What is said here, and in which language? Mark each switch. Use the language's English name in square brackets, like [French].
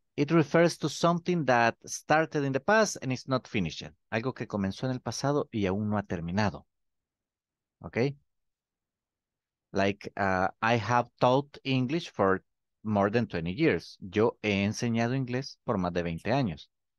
[English] It refers to something that started in the past and is not finished. [Spanish] Algo que comenzó en el pasado y aún no ha terminado. [English] Okay? Like, I have taught English for more than 20 years. [Spanish] Yo he enseñado inglés por más de 20 años.